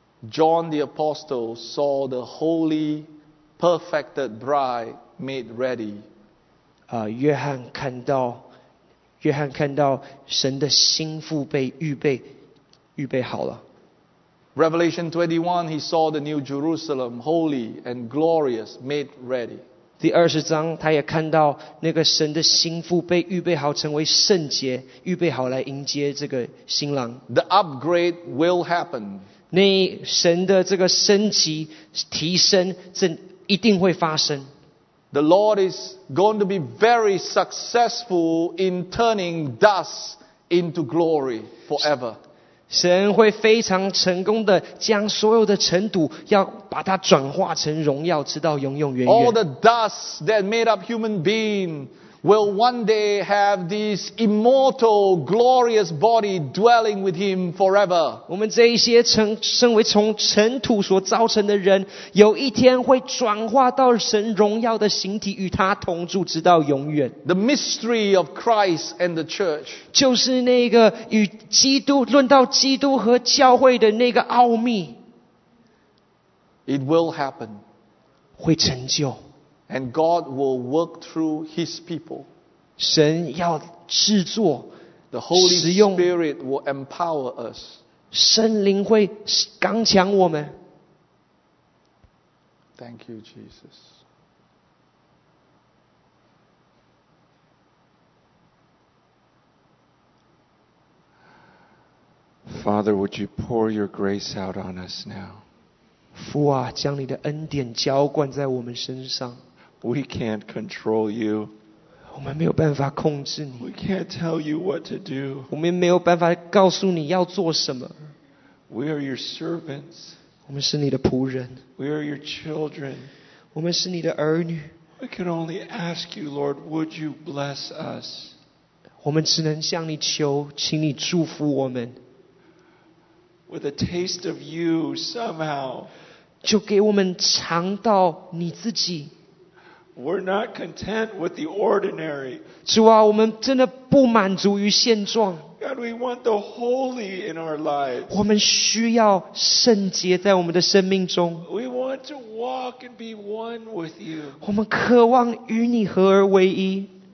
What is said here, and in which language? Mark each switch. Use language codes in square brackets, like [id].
[en] John the Apostle saw the holy, perfected bride made ready. [zh] 约翰看到神的心腹被预备好了。 [en] Revelation 21, he saw the new Jerusalem, holy and glorious, made ready. [zh] 第二十章他也看到那个神的心腹被预备好成为圣洁，预备好来迎接这个新郎。 [en] The upgrade will happen. [zh] 那神的这个升级提升正一定会发生。 [en] The Lord is going to be very successful in turning dust into glory forever. [zh] 神会非常成功的将所有的尘土要把它转化成荣耀，直到永永远远。 [en] All the dust that made up human being will one day have this immortal, glorious body dwelling with him forever. [zh] 我们这一些身为从尘土所造成的人，有一天会转化到神荣耀的形体，与他同住，直到永远。 [en] The mystery of Christ and the church. [zh] 就是那个与基督，论到基督和教会的那个奥秘。 [en] It will happen. [zh] 会成就。 [en] And God will work through His people. [zh] 神要制作， [en] The Holy Spirit will empower us. [zh] 圣灵会刚强我们。 [en] Thank you, Jesus. Father, would you pour your grace out on us now? [zh] 父啊，将你的恩典浇灌在我们身上。 [en] We can't control you. [zh] 我们没有办法控制你。 [en] We can't tell you what to do. [zh] 我们没有办法告诉你要做什么。 [en] We are your servants. [zh] 我们是你的仆人。 [en] We are your children. [zh] 我们是你的儿女。 [en] We can only ask you, Lord, would you bless us? [zh] 我们只能向你求，请你祝福我们。 [en] With a taste of you somehow. [zh] 就给我们尝到你自己。 [en] We're not content with the ordinary. [zh] 主啊，我们真的不满足于现状。 [en] God, we want the holy in our lives. [zh] 我们需要圣洁在我们的生命中。 [en] We want to walk and be one with you. [zh] 我们渴望与你合而为一。